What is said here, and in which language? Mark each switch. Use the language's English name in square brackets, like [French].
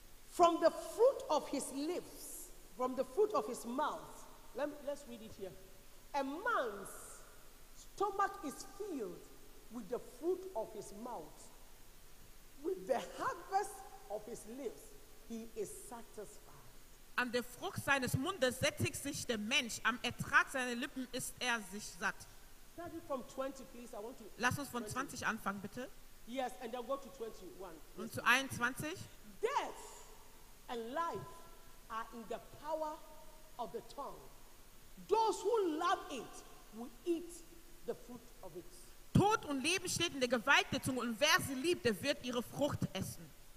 [English] From the fruit of his lips, from the fruit of his mouth. Let's read it here. A man's stomach is filled with the fruit of his mouth. With the harvest of his lips, he is satisfied. [German] An der Frucht seines Mundes sättigt sich der Mensch. Am Ertrag seiner Lippen ist sich satt. [English] Starting from 20, please. I want to. [German] Lass uns von 20 anfangen, bitte. [English] Yes, and then go to 21. [German] Und zu 21. [English] Death and life are in the power of the tongue. Those who love it will eat the fruit of it. [German] Tod und Leben steht in der Gewalt der Zunge und wer sie liebt, der wird ihre Frucht essen.